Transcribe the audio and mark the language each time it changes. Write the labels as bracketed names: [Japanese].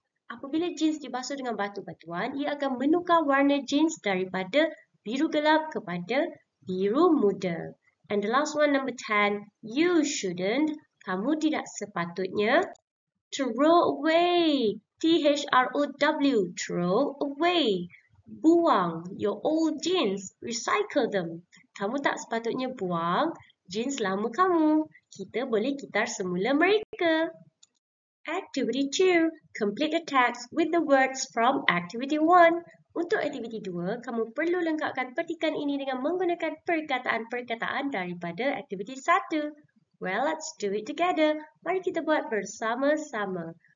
[Malay] Apabila jeans dibasuh dengan batu-batuan, ia akan menukar warna jeans daripada biru gelap kepada biru muda. [English] And the last one, number 10, you shouldn't, [Malay] kamu tidak sepatutnya, [English] throw away. T-H-R-O-W, throw away, [Malay] buang [English] your old jeans, recycle them. [Malay] Kamu tak sepatutnya buang jeans lama kamu. Kita boleh kitar semula mereka. [English] Activity 2, complete the text with the words from activity 1. [Malay] Untuk activity 2, kamu perlu lengkapkan petikan ini dengan menggunakan perkataan-perkataan daripada activity 1. [English] Well, let's do it together. [Malay] Mari kita buat bersama-sama.